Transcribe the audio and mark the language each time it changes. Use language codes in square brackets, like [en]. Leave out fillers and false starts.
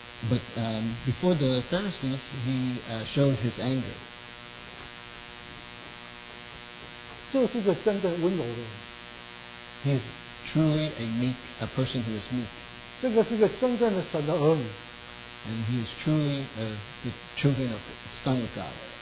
[en] But before the Pharisees, he showed his anger. [zh] 这是个真的温柔的人。 [en] He is truly a person who is meek. [zh] 这个是个真正的神的儿女。 [en] And he is truly the children of the Son of God.